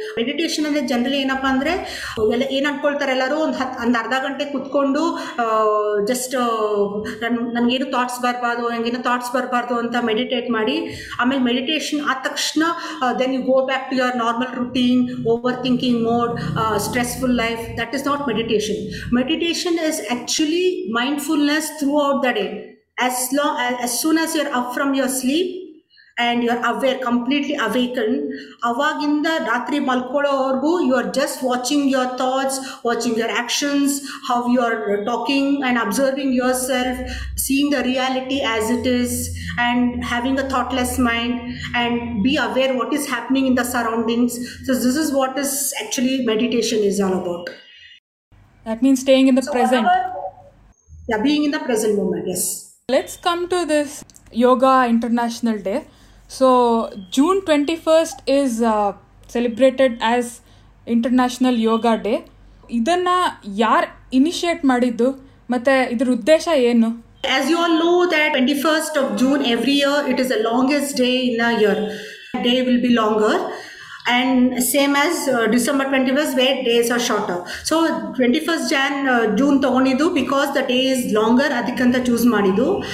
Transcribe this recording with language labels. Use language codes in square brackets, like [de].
[kn] Meditation ಅಂದರೆ generally ಏನಪ್ಪ ಅಂದರೆ ಎಲ್ಲ ಏನು ಅಂದ್ಕೊಳ್ತಾರೆ ಎಲ್ಲರೂ, ಒಂದು ಅರ್ಧ ಗಂಟೆ ಕುತ್ಕೊಂಡು ಜಸ್ಟ್ ನನಗೇನು ಥಾಟ್ಸ್ ಬರಬಾರ್ದು, ನನಗೇನು ಥಾಟ್ಸ್ ಬರಬಾರ್ದು ಅಂತ ಮೆಡಿಟೇಟ್ ಮಾಡಿ ಆಮೇಲೆ ಮೆಡಿಟೇಷನ್ ಆದ ತಕ್ಷಣ [en] Then you go back to your normal routine, over thinking mode, stressful life. That is not meditation. Meditation is actually mindfulness throughout the day. As soon as you're up from your sleep and you're aware, completely awakened, [kn] avaginda ratri malkolavargu [en] you are just watching your thoughts, watching your actions, how you are talking and observing yourself, seeing the reality as it is, and having a thoughtless mind, and be aware what is happening in the surroundings. So this is what is actually meditation is all about. That means staying in the present. Yeah, being in the present moment, yes. Let's come to this Yoga International Day. So, June 21st is celebrated as International Yoga Day. [kn] ಇದನ್ನ ಯಾರ್ initiate ಮಾಡಿದ್ದು ಮತ್ತೆ ಇದ್ರ ಉದ್ದೇಶ ಏನು? [en] As you all know that 21st of June every year, it is the longest day in a year. Day will be longer. And same as December 21st, where days are shorter. So 21st June [kn] tagonidu [en] because the day is longer, [kn] adikanta choose maadidu.